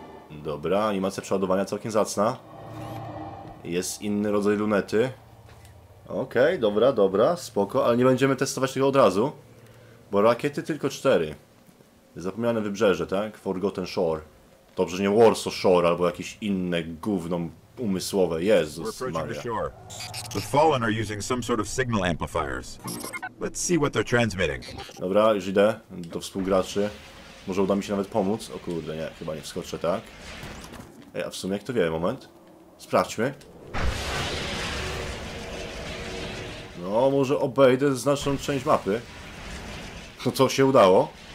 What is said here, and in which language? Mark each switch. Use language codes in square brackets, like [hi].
[pl] Dobra, animacja przeładowania całkiem zacna. Jest inny rodzaj lunety. Okej, okay, dobra, spoko, ale nie będziemy testować tego od razu. Bo rakiety tylko 4. Zapomniane wybrzeże, tak? Forgotten Shore. Dobrze, nie Warsaw Shore, albo jakieś inne gówno umysłowe. Jezus Maria. [en] The Fallen are using some sort of signal amplifiers. Let's see what they're transmitting. [pl] Dobra, już idę do współgraczy. Może uda mi się nawet pomóc. O kurde, nie, chyba nie wskoczę, tak? Ej, a w sumie jak to wie, moment. Sprawdźmy. No, może obejdę znaczną część mapy. No to się udało.